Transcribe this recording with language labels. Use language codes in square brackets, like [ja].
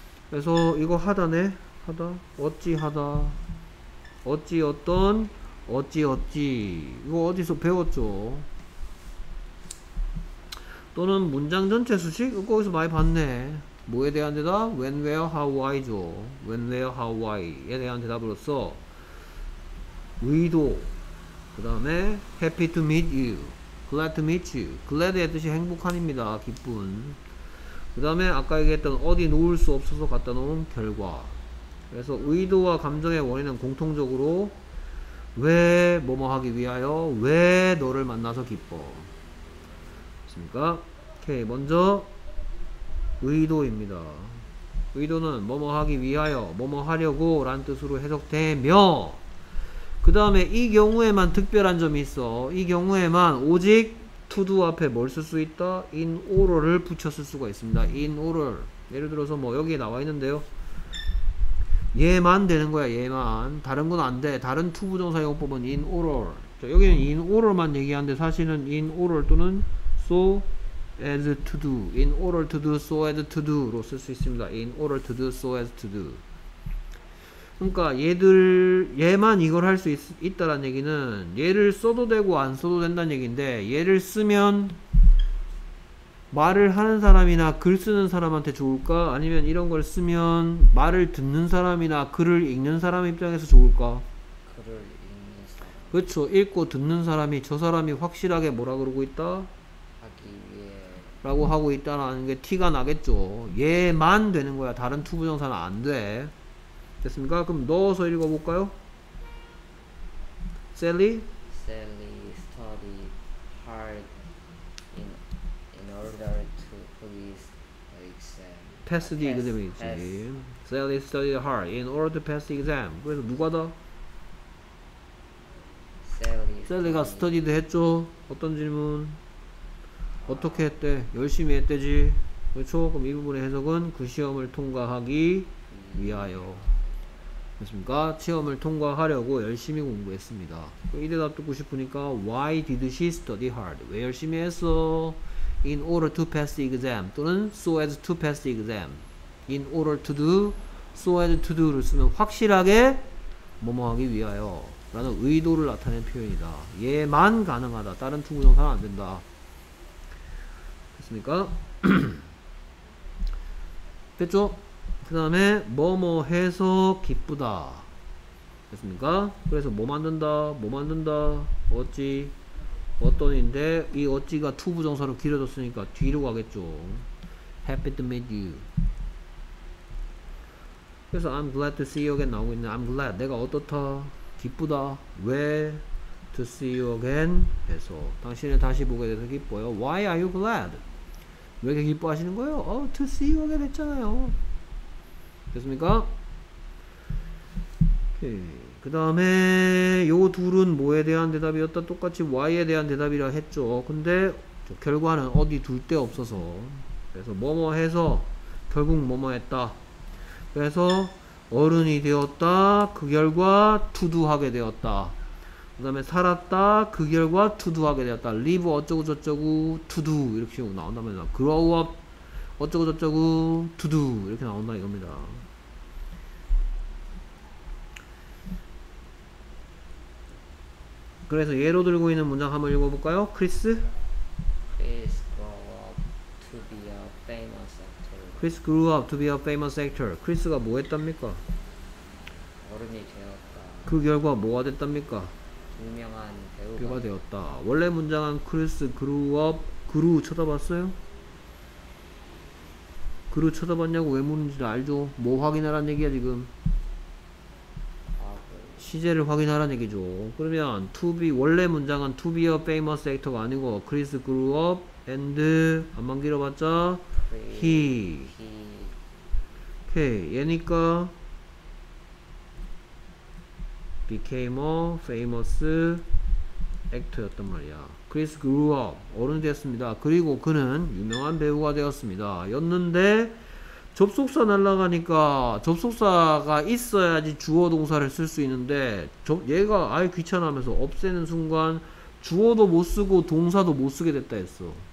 [ko] 그래서 이거 하다네? 하다? 어찌 하다? 어찌 어떤? 어찌 어찌? 이거 어디서 배웠죠? 또는 문장 전체 수식? 이거 거기서 많이 봤네. 뭐에 대한 대답? [en] when, where, how, why죠. [ko] when, where, how, why에 대한 대답으로 써. 의도. 그 다음에 [en] happy to meet you. Glad to meet you. [ko] Glad의 뜻이 행복한입니다. 기쁜. 그 다음에 아까 얘기했던 어디 놓을 수 없어서 갖다 놓은 결과. 그래서 의도와 감정의 원인은 공통적으로 왜 뭐뭐 하기 위하여 왜 너를 만나서 기뻐. 됐습니까? 오케이. 먼저 의도입니다. 의도는 뭐뭐 하기 위하여 뭐뭐 하려고 라는 뜻으로 해석되며 그 다음에 이 경우에만 특별한 점이 있어. 이 경우에만 오직 to do 앞에 뭘 쓸 수 있다? in order를 붙였을 수가 있습니다. [en] in order. [ko] 예를 들어서 뭐 여기에 나와 있는데요. 얘만 되는 거야. 얘만. 다른 건 안 돼. 다른 to 부정사 용법은 in order. 자, 여기는 in order만 얘기하는데 사실은 in order 또는 so as to do. [en] in order to do, so as to do 로 쓸 수 있습니다. in order to do, so as to do. [ko] 그러니까 얘들 얘만 이걸 할 수 있다라는 얘기는 얘를 써도 되고 안 써도 된다는 얘기인데 얘를 쓰면 말을 하는 사람이나 글 쓰는 사람한테 좋을까? 아니면 이런 걸 쓰면 말을 듣는 사람이나 글을 읽는 사람 입장에서 좋을까? 글을 읽는 사람. 그렇죠. 읽고 듣는 사람이 저 사람이 확실하게 뭐라 그러고 있다? 하기 위해 라고 하고 있다라는 게 티가 나겠죠. 얘만 되는 거야. 다른 to 부정사는 안 돼. 됐습니까? 그럼 넣어서 읽어볼까요? [en] Sally? Sally studied hard in order to pass the exam. Pass the exam. Sally studied hard in order to pass the exam. [ko] 그래서 누가 더? Sally가 studied 했죠? 어떤 질문? 어떻게 했대? 열심히 했대지? 그렇죠? 그럼 이 부분의 해석은 그 시험을 통과하기 위하여. 습니까? 체험을 통과하려고 열심히 공부했습니다. 이 대답 듣고 싶으니까 [en] Why did she study hard? [ko] 왜 열심히 했어? [en] In order to pass the exam 또는 so as to pass the exam. [ko] In order to do, so as to do를 쓰면 확실하게 뭐뭐하기 위하여라는 의도를 나타낸 표현이다. 얘만 가능하다. 다른 투 부정사는 안 된다. 됐습니까? 됐죠? 그 다음에 뭐뭐 해서 기쁘다. 됐습니까? 그래서 뭐 만든다? 뭐 만든다? 어찌? 어떤인데 이 어찌가 to 부정사로 길어졌으니까 뒤로 가겠죠. [en] Happy to meet you. 그래서 I'm glad to see you again [ko] 나오고 있는데 [en] I'm glad. [ko] 내가 어떻다? 기쁘다. 왜? [en] To see you again [ko] 해서 당신을 다시 보게 돼서 기뻐요. [en] Why are you glad? [ko] 왜 이렇게 기뻐하시는 거예요? [en] To see you again 했잖아요. [ko] 됐습니까? 오케이. 그 다음에 요 둘은 뭐에 대한 대답이었다? 똑같이 Y에 대한 대답이라 했죠. 근데 결과는 어디 둘 데 없어서 그래서 뭐뭐 해서 결국 뭐뭐 했다. 그래서 어른이 되었다. 그 결과 to do 하게 되었다. 그 다음에 살았다. 그 결과 to do 하게 되었다. live 어쩌고 저쩌고 to do 이렇게 나온다면 grow up 어쩌고 저쩌고 두두 이렇게 나온다 이겁니다. 그래서 예로 들고 있는 문장 한번 읽어볼까요? 크리스? [en] Chris grew up to be a famous actor. Chris grew up to be a famous actor. [ko] 크리스가 뭐 했답니까? 어른이 되었다. 그 결과 뭐가 됐답니까? 유명한 배우가 되었다. 원래 문장은 [en] Chris grew up [ko] grew 쳐다봤어요? 그루 쳐다봤냐고 왜 묻는지 알죠? 뭐 확인하라는 얘기야 지금? 시제를 확인하라는 얘기죠. 그러면 to be 원래 문장은 [en] to be a famous actor [ko] 가 아니고 Chris grew up and 안만 길어봤자 he. 오케이 얘니까 became a famous actor였단 말이야. [en] Chris grew up. [ko] 어른이 됐습니다. 그리고 그는 유명한 배우가 되었습니다. 였는데 접속사 날라가니까 접속사가 있어야지 주어 동사를 쓸 수 있는데 얘가 아예 귀찮아하면서 없애는 순간 주어도 못 쓰고 동사도 못 쓰게 됐다 했어.